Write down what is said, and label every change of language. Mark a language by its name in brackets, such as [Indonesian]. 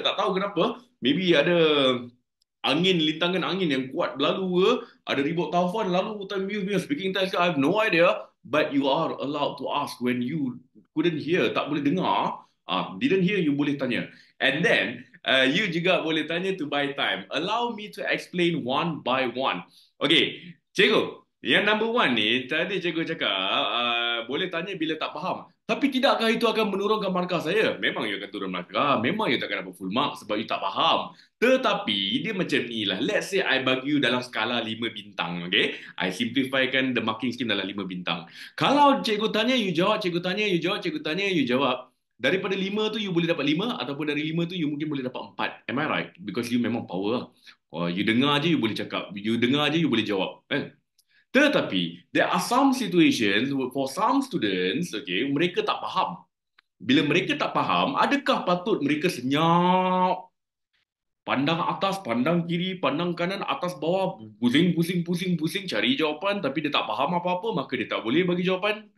[Malay] Tak tahu kenapa. [English] Maybe [Malay] ada angin, lintangan angin yang kuat berlalu ke, ada ribut taufan lalu, [English] time you speaking test [Malay] ke, [English] I have no idea. But you are allowed to ask when you couldn't hear, [Malay] tak boleh dengar. [English] Didn't hear, you [Malay] boleh tanya. [English] And then, you [Malay] juga boleh tanya [English] to buy time. Allow me to explain one by one. [Malay] Okay, cikgu, yang number one ni, tadi cikgu cakap, boleh tanya bila tak faham. Tapi tidakkah itu akan menurunkan markah saya? Memang you akan turun markah. Memang you takkan dapat full mark sebab you tak faham. Tetapi, dia macam ni lah. [English] Let's say I [Malay] bagi you dalam skala 5 bintang, okay? I simplifykan [English] the marking scheme [Malay] dalam 5 bintang. Kalau cikgu tanya, you jawab, cikgu tanya, you jawab, cikgu tanya, you jawab. Daripada 5 tu, you boleh dapat 5 ataupun dari 5 tu, you mungkin boleh dapat 4. [English] Am I right? Because [Malay] you memang power lah. Oh, you dengar je, you boleh cakap. You dengar je, you boleh jawab. Eh? [English] Tetapi, there are some situations for some students, okay, [Malay] mereka tak faham. Bila mereka tak faham, adakah patut mereka senyap, pandang atas, pandang kiri, pandang kanan, atas, bawah, pusing, pusing, pusing, pusing, cari jawapan, tapi dia tak faham apa-apa, maka dia tak boleh bagi jawapan.